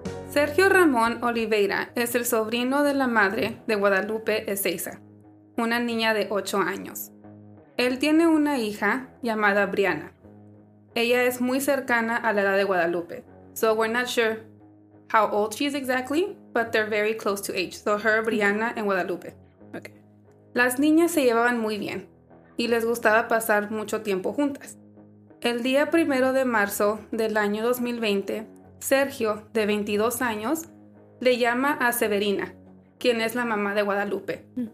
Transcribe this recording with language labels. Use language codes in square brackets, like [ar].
[es] Sergio Ramón Oliveira es el sobrino de la madre de Guadalupe Ezeiza, una niña de 8 años. Él tiene una hija llamada Brianna. Ella es muy cercana a la edad de Guadalupe. [en] So we're not sure how old she is exactly, but they're very close to age. So her, Brianna, and Guadalupe. Okay. [es] Las niñas se llevaban muy bien y les gustaba pasar mucho tiempo juntas. El día primero de marzo del año 2020, Sergio, de 22 años, le llama a Severina, quien es la mamá de Guadalupe.